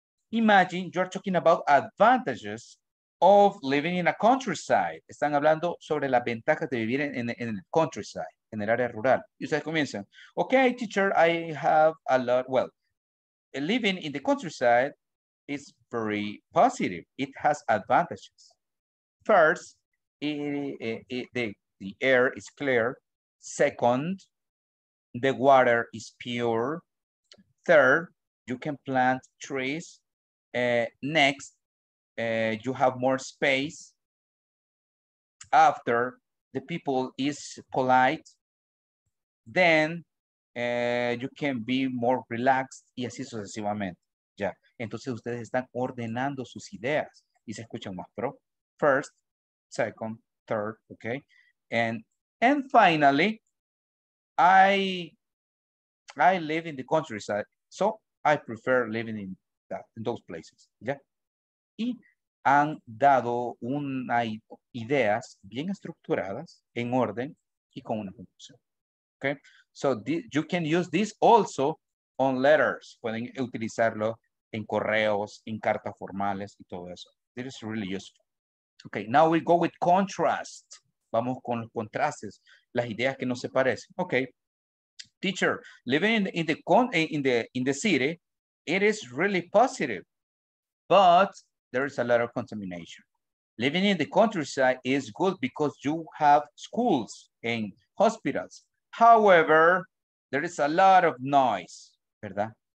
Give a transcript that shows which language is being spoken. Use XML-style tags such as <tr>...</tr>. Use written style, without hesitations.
<en>Imagine you're talking about advantages of living in a countryside.</en> <es>Están hablando sobre las ventajas de vivir en el countryside, en el área rural. Y ustedes comienzan.</es> <en>Okay, teacher, I have a lot. Well, living in the countryside is very positive. It has advantages. First, the air is clear. Second, the water is pure. Third, you can plant trees. Next, you have more space. After, the people is polite. Then, you can be more relaxed.</en> <es>Y así sucesivamente. Ya. Entonces, ustedes están ordenando sus ideas y se escuchan más pro.</es> <en>First, second, third, okay, and finally, I live in the countryside, so I prefer living in that, in those places, yeah.</en> <es>Y han dado una ideas bien estructuradas en orden y con una conclusión, okay.</es> <en>So you can use this also on letters.</en> <es>Pueden utilizarlo en correos, en cartas formales y todo eso.</es> <en>This is really useful. Okay, now we go with contrast.</en> <es>Vamos con los contrastes, las ideas que no se parecen.</es> <en>Okay, teacher, living in the city, it is really positive, but there is a lot of contamination. Living in the countryside is good because you have schools and hospitals. However, there is a lot of noise, ¿verdad?</en>